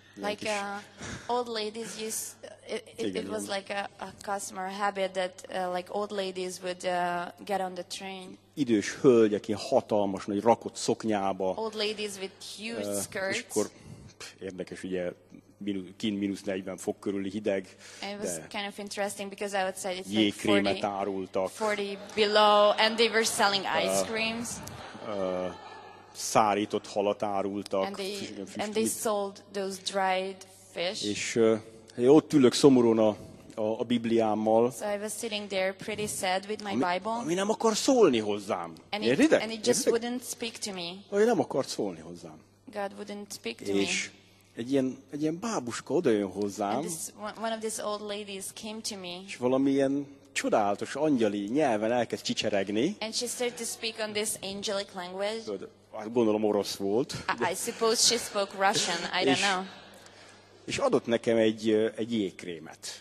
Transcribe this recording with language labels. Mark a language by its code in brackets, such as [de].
[en] Like old ladies use it was like a customer habit that like old ladies would get on the train. [hu] Idős hölgyek ilyen hatalmas nagy rakott szoknyába. [en] Old ladies with huge skirts. [hu] És akkor érdekes, ugye minusz 40 fok körüli hideg. [en] And it was kind of interesting because outside it's [hu] jégkrémet árultak. [en] 40 below and they were selling ice creams. [hu] Szárított halat árultak. [en] And they sold those dried fish. [hu] És ott ülök szomorúan a Bibliámmal. [en] So I was sitting there pretty sad with my Bible. [hu] Ami nem akar szólni hozzám. [en] And it just wouldn't speak to me. [hu] Ami nem akar szólni hozzám. [en] God wouldn't speak to [hu] és [en] me. [hu] Egy ilyen bábuska odajön hozzám. [en] And one of these old ladies came to me. [hu] És valamilyen csodálatos angyali nyelven elkezd csicseregni. [en] And she started to speak on this angelic language. [hu] Gondolom orosz volt. [en] I suppose she spoke Russian. I don't know. [hu] És adott nekem egy jégkrémet.